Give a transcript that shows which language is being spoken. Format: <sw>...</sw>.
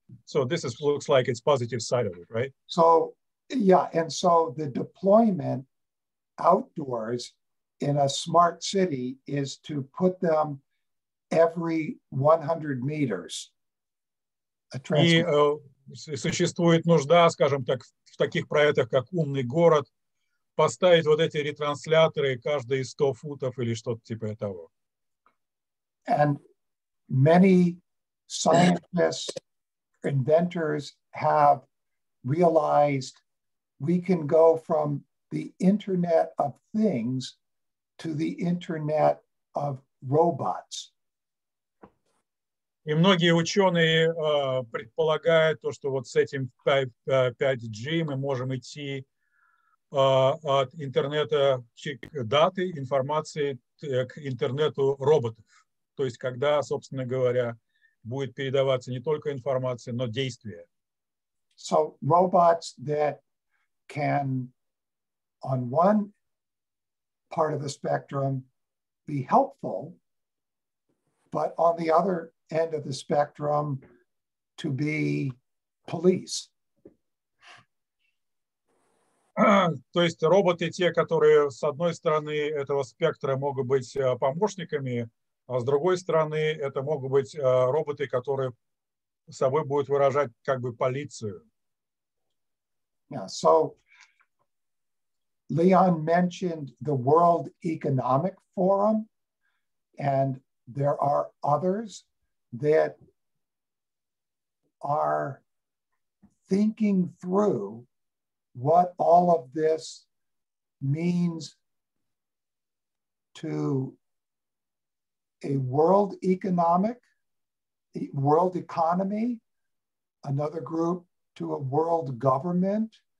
<en>So this is looks like it's positive side of it, right? So yeah, and so the deployment outdoors in a smart city is to put them every 100 meters.</en> <ru>Существует нужда, скажем так, в таких проектах, как «Умный город», поставить вот эти ретрансляторы каждые 100 футов или что-то типа этого.</ru> <en>And many scientists, inventors have realized we can go from the Internet of Things to the Internet of Robots.</en> <ru>И многие ученые предполагают то, что вот с этим 5G мы можем идти от интернета даты, информации к интернету роботов. То есть когда, собственно говоря, будет передаваться не только информация, но действия.</ru> <en>So robots that can on one part of the spectrum be helpful, but on the other end of the spectrum to be police.</en> <ru>То есть роботы те, которые с одной стороны этого спектра могут быть помощниками, а с другой стороны это могут быть роботы, которые собой будут выражать как бы полицию.</ru> <en>Yeah, so Leon mentioned the World Economic Forum, and there are others that are thinking through what all of this means to a world economy, another group to a world government.</en>